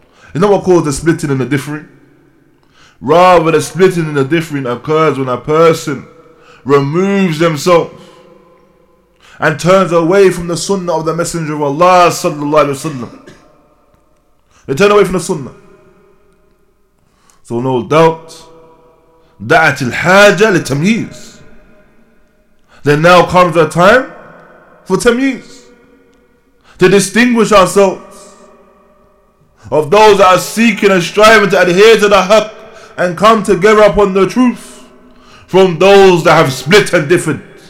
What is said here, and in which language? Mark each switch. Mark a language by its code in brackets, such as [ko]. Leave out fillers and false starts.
[en] It's not what caused the splitting and the differing. Rather, the splitting and the differing occurs when a person removes themselves and turns away from the sunnah of the Messenger of Allah sallallahu alaihi wasallam. They turn away from the sunnah. So no doubt, [ar] دعت الحاجة للتمييز. [en] Then now comes a time for tamyiz, to distinguish ourselves of those that are seeking and striving to adhere to the haqq and come together upon the truth, from those that have split and differed.